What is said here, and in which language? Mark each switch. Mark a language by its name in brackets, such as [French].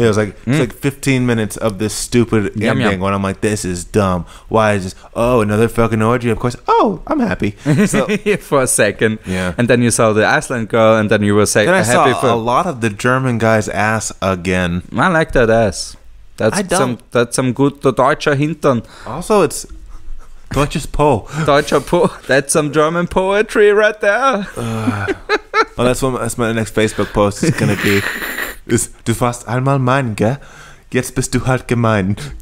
[English] It was like, it's like 15 minutes of this stupid ending when I'm like, this is dumb. Why is this? Oh, another fucking orgy, of course. Oh, I'm happy. So, for a second. Yeah. And then you saw the Iceland girl, and then you were happy. Then I saw a lot of the German guy's ass again. I like that ass. That's some good [German] deutscher Hintern. [English] Also, it's [German] deutsches Po. Deutscher Po. [English] That's some German poetry right there. Oh, that's my next Facebook post is going to be. [German] Ist, du warst einmal mein, gell? Jetzt bist du halt gemein.